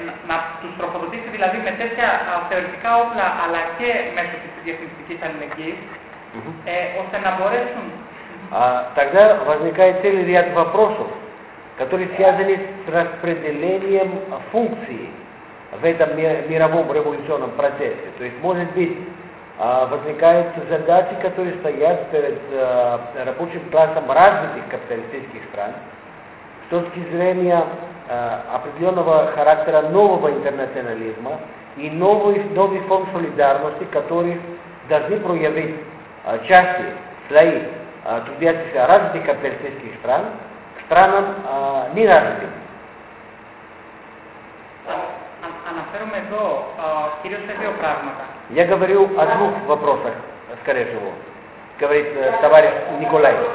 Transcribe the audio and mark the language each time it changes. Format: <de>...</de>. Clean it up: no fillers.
<el>να τους τροφοδοτήσει δηλαδή με τέτοια θεωρητικά όπλα αλλά και μέσω της διεθνιστικής αλληλεγγύης ώστε να μπορέσουν.</el> <ru>Тогда возникает целый ряд вопросов, которые связаны с распределением функций в этом мировом революционном процессе. То есть, может быть, возникают задачи, которые стоят перед рабочим классом развитых капиталистических стран с точки зрения определенного характера нового интернационализма и новых форм солидарности, которые должны проявить части, слои трудящихся развитых капиталистических стран к странам неразвитым.</ru> <el>Αναφέρομαι εδώ κυρίως σε δύο πράγματα.</el> <ru>Я говорю о двух вопросах, скорее всего, говорит товарищ Николай.</ru>